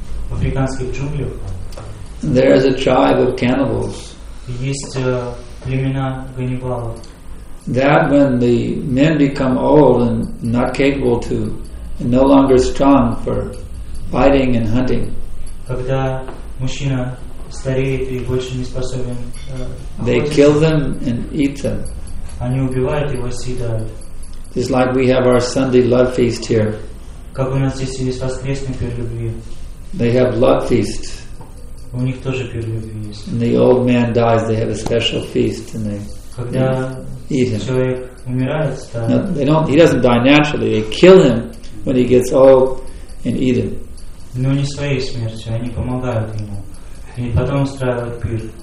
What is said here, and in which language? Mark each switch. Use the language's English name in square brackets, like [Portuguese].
[Russian] в африканских джунглях, [English] there is a tribe of cannibals. [Russian] Есть племена ганнибалов. [English] That when the men become old and not capable to, and no longer strong for fighting and hunting, [Russian] когда мужчина стареет и больше не способен. [English] They kill them and eat them. [Russian] Они убивают его и съедают. [English] It's like we have our Sunday love feast here. [Russian] Как у нас здесь есть воскресный пир любви. [English] They have love feast. [Russian] У них тоже пир любви есть. [English] And the old man dies, they have a special feast and they eat him. [Russian] Человек умирает, [English] no, they don't. He doesn't die naturally. They kill him when he gets old and eat him. [Russian] Но не своей смертью, они помогают ему и потом устраивают пир.